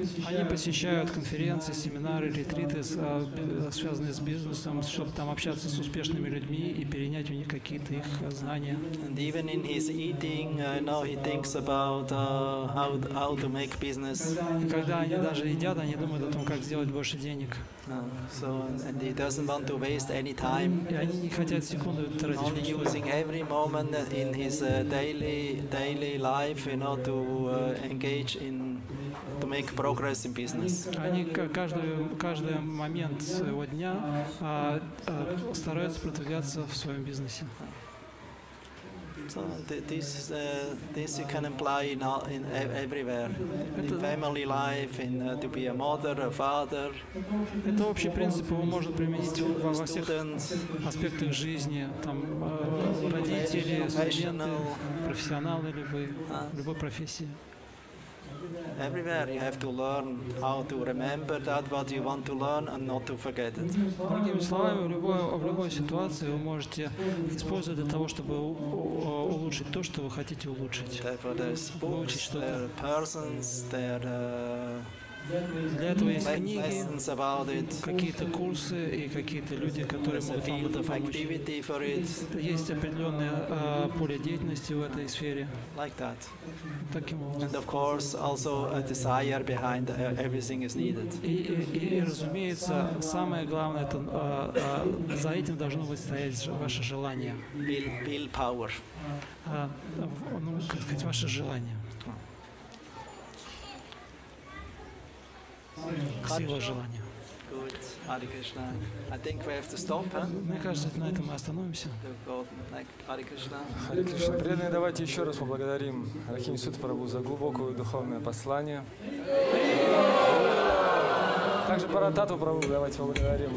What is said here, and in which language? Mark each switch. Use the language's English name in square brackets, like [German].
[Russian] Они посещают конференции, семинары, ретриты с связанные с бизнесом, чтобы там общаться с успешными людьми и перенять у них какие-то их знания. [English] And even in his eating, now he thinks about how to make business. [Russian] И когда они даже едят, они думают о том, как сделать больше денег. [English] So and he doesn't want to waste any time. [Russian] И они не хотят секунду тратить. [English] Only using every moment in his daily life, you know, to engage in to make progress in business. [Russian] Они каждый момент своего дня стараются продвигаться в своем бизнесе. [English] So this you can apply in everywhere, in family life, in to be a mother, a father. [Russian] Это общий принцип, его можно применить во всех аспектах жизни, там родители, студенты, профессионалы, любой профессии. [English] Everywhere you have to learn how to remember that what you want to learn and not to forget it. [Russian] Другими словами, в любой ситуации вы можете использовать для того, чтобы улучшить то, что вы хотите улучшить. [English] Therefore, there's books, there are persons, there [Russian] для этого есть книги, [English] about it. [Russian] Какие-то курсы и какие-то люди, которые могут вам это помочь. Есть определенное поле деятельности в этой сфере. [English] Like that. [Russian] Таким образом. [English] And of course, also a desire behind everything is needed. [Russian] И разумеется, самое главное, это за этим должно быть стоять ваше желание. [English] Willpower. [Russian] Как сказать, ваше желание. Сила желания. [English] Good. Hare Krishna. I think we have to stop, huh? [Russian] Мне кажется, на этом мы остановимся. [Sanskrit] Hare Krishna. [Russian] Преданные, давайте еще раз поблагодарим Рахим Сут Прабу за глубокое духовное послание. Также Паратату Прабу давайте поблагодарим.